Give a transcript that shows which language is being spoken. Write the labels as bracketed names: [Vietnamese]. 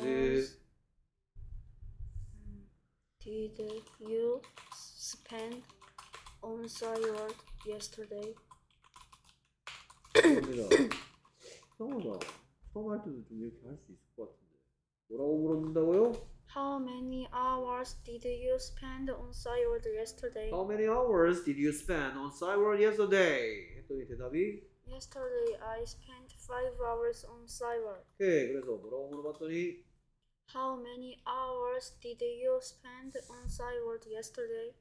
[English] hours? Did you spend on Cyworld yesterday? [Korean] 이상합니다. 이상하다. 처음 할 때도 좀 이렇게 할수 있을 것 같아. 뭐라고 물었는다고요? [English] How many hours did you spend on Cyworld yesterday? How many hours did you spend on Cyworld yesterday? [Korean] 했더니 대답이 [English] Yesterday, I spent 5 hours on Cyworld. [Korean] 오케이, 그래서 뭐라고 물어봤더니 [English] How many hours did you spend on Cyworld yesterday?